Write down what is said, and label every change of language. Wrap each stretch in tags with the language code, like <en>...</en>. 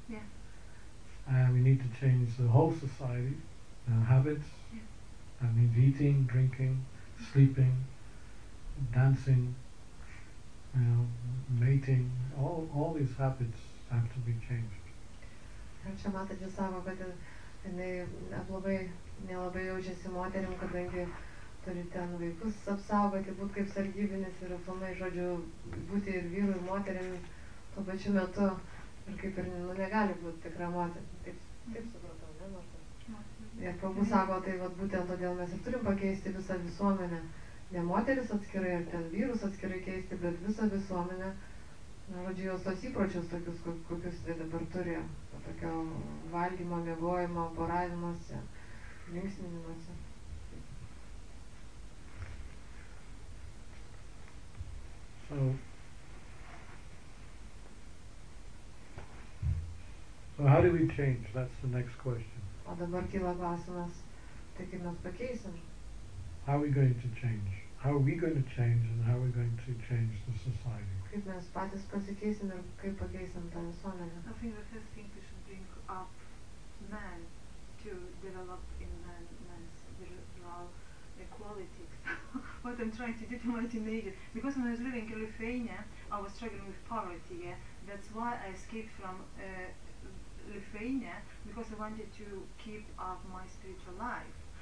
<en>Yeah. And we need to change the whole society, their habits. Yeah. That means eating, drinking, sleeping, dancing, you know, mating, all these habits have to be changed.</en> <lt>Ir čia matote, sako, kad jinai labai nelabai jaučiasi moterim, kadangi turi ten vaikus apsaugoti, būt kaip sargybinis ir aplamai, žodžiu, būti ir vyru, ir moterim tuo pačiu metu. Ir kaip ir negali būti tikra moterim. Taip supratau, ne moterim. Ir pabūt sako, tai vat, būtent todėl mes ir turim pakeisti visą visuomenę. Ne moteris atskirai ar ten vyrus atskirai keisti, bet visą visuomenę, žodžiu, jos tos įpročius tokius, kokius jie dabar turi, tokio valgymo, mėgojimo, poravimuose, linksminimuose.</lt> <en>So how do we change? That's the next question.</en> <lt>O dabar kyla klausimas, tai kaip mes pakeisim?</lt> <en>How are we going to change? How are we going to change and how are we going to change the society?</en> <lt>Kaip mes patys pasikeisim ir kaip pakeisim tą visuomenę?</lt> <en>I think the first thing we should bring up men to develop in men's individual qualities. What I'm trying to do to my teenager. Because when I was living in Lithuania, I was struggling with poverty. Yeah? That's why I escaped from Lithuania, because I wanted to keep up my spiritual life.</en>